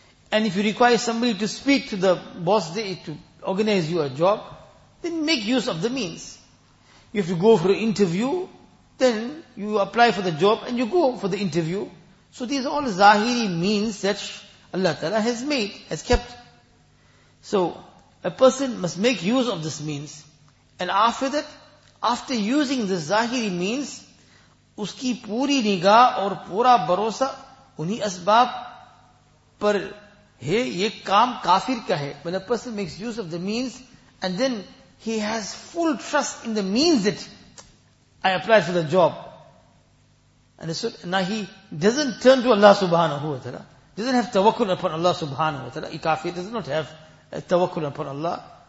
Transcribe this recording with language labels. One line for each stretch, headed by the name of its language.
English: And if you require somebody to speak to the boss there to organize you a job, then make use of the means. If you go for an interview, then you apply for the job and you go for the interview. So these are all zahiri means that Allah Ta'ala has made, has kept. So a person must make use of this means. And after that, after using the zahiri means,
Urdu: اس کی پوری نگاہ اور پورا بھروسہ انہی اسباب پر ہے. یہ کام کافر کا ہے.
English: When a person makes use of the means and then he has full trust in the means that I applied for the job, and so now he doesn't turn to Allah subhanahu wa ta'ala, doesn't have tawakkul upon Allah subhanahu wa ta'ala, a kafir does not have tawakkul upon Allah.